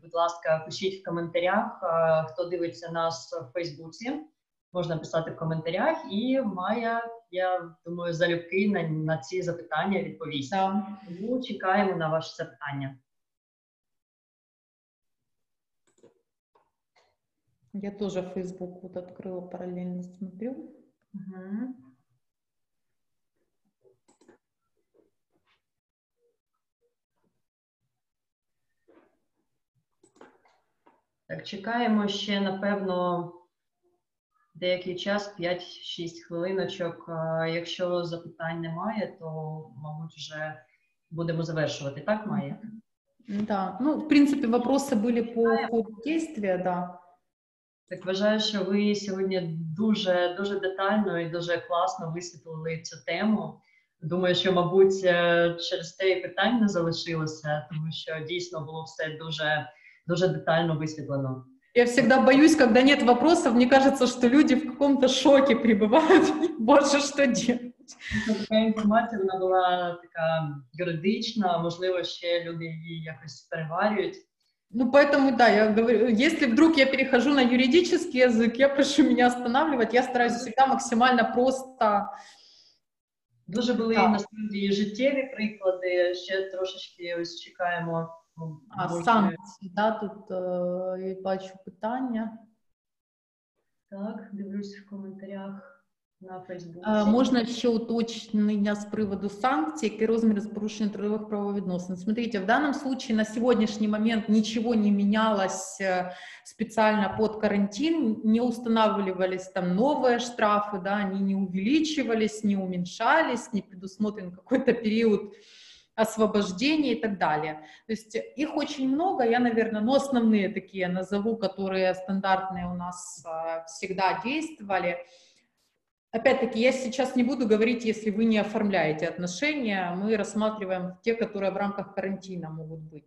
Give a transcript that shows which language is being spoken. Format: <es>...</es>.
<uk>Будь ласка, пишіть в коментарях, хто дивиться нас в Фейсбуці. Можна писати в коментарях. І Майя, я думаю, залюбки на ці запитання відповість. Да. Тому чекаємо на ваші запитання.</uk> <ru>Я тоже Facebook вот открыла, параллельно смотрю.</ru> <uk>Так, чекаємо ще, напевно, деякий час, 5-6 хвилиночок. Якщо запитань немає, то, мабуть, вже будемо завершувати. Так, Майя?</uk> <ru>Да.</ru> <uk>Ну, в принципі, вопроси були по ходу дійства, да. Так, вважаю, що ви сьогодні дуже, дуже детально і дуже класно висвітлили цю тему. Думаю, що, мабуть, через те і питання залишилося, тому що дійсно було все дуже, дуже детально висвітлено.</uk> <ru>Я всегда боюсь, когда нет вопросов, мне кажется, что люди в каком-то шоке пребывают, больше что делать.</ru> <uk>Така інформація, вона була така юридична, можливо, ще люди її якось переварюють.</uk> <ru>Ну, поэтому, да, я говорю, если вдруг я перехожу на юридический язык, я прошу меня останавливать, я стараюсь всегда максимально просто...</ru> <uk>Дуже були, да.</uk> <ru>На самом деле,</ru> <uk>життєві приклади, ще трошечки ось чекаємо. А санкції, да, тут я бачу питання. Так, дивлюсь в коментарях на Фейсбуці. Можна ще уточнення з приводу санкцій, який розмір порушення трудових правовідносин.</uk> <ru>Смотрите,</ru> <uk>в даному випадку на сьогоднішній момент нічого не мінялося спеціально під карантин, не встановлювалися там нові штрафи, да, вони</uk> <ru>не увеличувались, не уменьшались, не предусмотрен</ru> <uk>якийсь період</uk> <ru>освобождение и так далее. То есть их очень много, я, наверное, но основные такие назову, которые стандартные у нас всегда действовали. Опять-таки, я сейчас не буду говорить, если вы не оформляете отношения, мы рассматриваем те, которые в рамках карантина могут быть.</ru>